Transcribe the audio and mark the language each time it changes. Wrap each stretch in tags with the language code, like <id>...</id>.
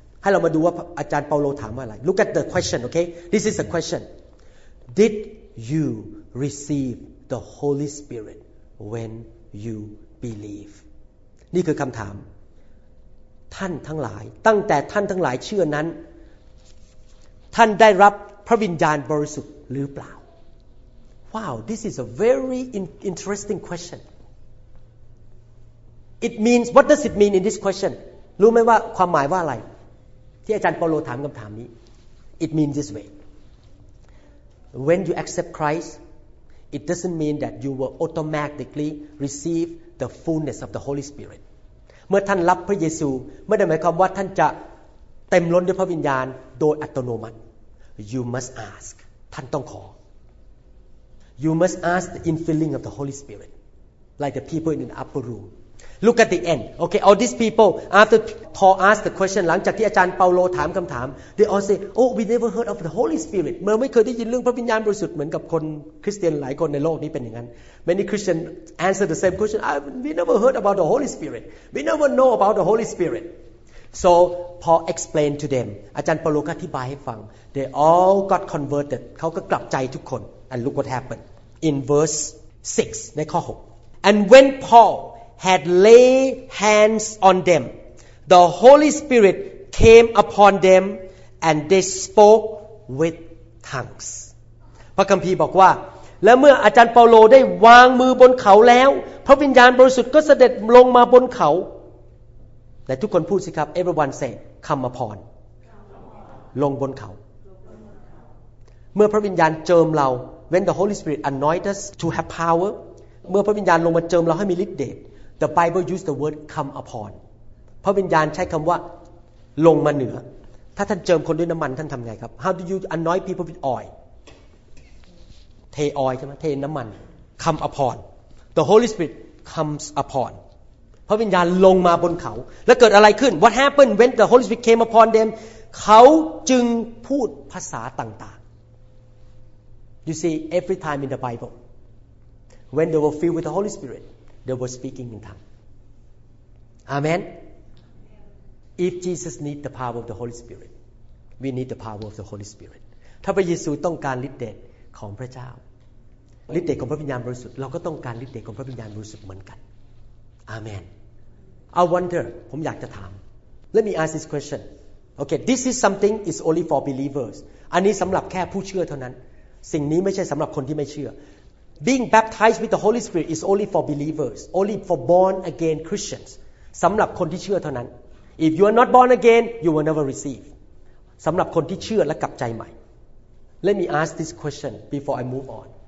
<th>ให้เรามาดูว่าอาจารย์เปาโลถามว่าอะไร</th> <en>Look at the question, okay? This is a question. Did you receive the Holy Spirit when you believe?</en> <th>นี่คือคำถามท่านทั้งหลายตั้งแต่ท่านทั้งหลายเชื่อนั้นท่านได้รับพระวิญญาณบริสุทธิ์หรือเปล่า</th> <en>Wow, this is a very interesting question. It means, what does it mean in this question?</en> <th>รู้ไหมว่าความหมายว่าอะไรที่อาจารย์เปาโลถามคำถามนี้</th> <en>It means this way When you accept Christ It doesn't mean that you will automatically receive the fullness of the Holy Spirit</en> <th>เมื่อท่านรับพระเยซูไม่ได้หมายความว่าท่านจะเต็มล้นด้วยพระวิญญาณโดยอัตโนมัติ</th> <en>You must ask</en> <th>ท่านต้องขอ</th> <en>You must ask the infilling of the Holy Spirit Like the people in the upper roomLook at the end. Okay, all these people, after Paul asked the question,</en> <th>หลังจากที่อาจารย์เปาโลถามคำถาม</th> <en>they all say, oh, we never heard of the Holy Spirit.</en> <th>เราไม่เคยได้ยินเรื่องพระวิญญาณบริสุทธิ์เหมือนกับคนคริสเตียนหลายคนในโลกนี้เป็นอย่างนั้น</th> <en>Many Christians answer the same question, we never heard about the Holy Spirit. We never know about the Holy Spirit. So, Paul explained to them.</en> <th>อาจารย์เปาโลอธิบายให้ฟัง</th> <en>They all got converted.</en> <th>เขาก็กลับใจทุกคน</th> <en>And look what happened. In verse 6,</en> <th>ในข้อ6.</th> <en>And when PaulHad laid hands on them, the Holy Spirit came upon them, and they spoke with tongues.</en> <th>พระคัมภีร์บอกว่าและเมื่ออาจารย์เปาโลได้วางมือบนเขาแล้วพระวิญญาณบริสุทธิ์ก็เสด็จลงมาบนเขาแต่ทุกคนพูดสิครับ</th> <en>Everyone say, come upon.</en> <th>ลงบนเขาเมื่อพระวิญญาณเจิมเรา</th> <en>When the Holy Spirit anoint us to have power,</en> <th>เมื่อพระวิญญาณลงมาเจิมเราให้มีฤทธิ์เดช</th> <en>The Bible used the word come upon.</en> <th>พระวิญญาณใช้คำว่าลงมาเหนือถ้าท่านเจิมคนด้วยน้ำมันท่านทำไงครับ</th> <en>How do you anoint people with oil?</en> <th>เทออยล์ใช่ไหมเทน้ำมัน</th> <en>Come upon. The Holy Spirit comes upon.</en> <th>พระวิญญาณลงมาบนเขาแล้วเกิดอะไรขึ้น</th> <en>What happened when the Holy Spirit came upon them?</en> <th>เขาจึงพูดภาษาต่างๆ</th> <en>You see, every time in the Bible, when they were filled with the Holy Spirit,They were speaking in tongues. Amen. If Jesus need the power of the Holy Spirit, we need the power of the Holy Spirit.</en> <th>ถ้าพระเยซูต้องการฤทธิ์เดชของพระเจ้าฤทธิ์เดชของพระวิญญาณบริสุทธิ์เราก็ต้องการฤทธิ์เดชของพระวิญญาณบริสุทธิ์เหมือนกัน</th> <en>Amen. I wonder.</en> <th>ผมอยากจะถาม</th> <en>Let me ask this question. Okay, this is something is only for believers.</en> <th>อันนี้สำหรับแค่ผู้เชื่อเท่านั้นสิ่งนี้ไม่ใช่สำหรับคนที่ไม่เชื่อ</th> <en>Being baptized with the Holy Spirit is only for believers, only for born again Christians.</en> <th>สำหรับคนที่เชื่อเท่านั้น</th> <en>If you are not born again, you will never receive.</en> <th>สำหรับคนที่เชื่อและกลับใจใหม่</th> <en>Let me ask this question before I move on.</en>